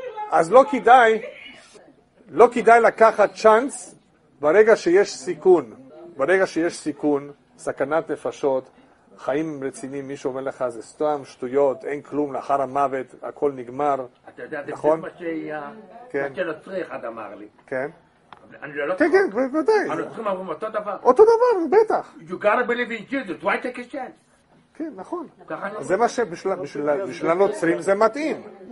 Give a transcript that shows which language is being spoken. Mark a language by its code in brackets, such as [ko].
[he] אז לא כדאי, לא כדאי לקחת צ'אנס ברגע שיש סיכון. ברגע שיש סיכון, סכנת נפשות, חיים רציניים, מי שאומר לך, זה סתם שטויות, אין כלום, לאחר המוות, הכל נגמר, נכון? אתה יודע, זה מה שנוצרי אחד אמר לי. כן. כן, כן, בוודאי. הנוצרים אמרו אותו דבר. אותו דבר, בטח. [en] You gotta believe in Jesus, why take a chance? [he] כן, נכון. זה מה שבשביל הנוצרים זה מתאים.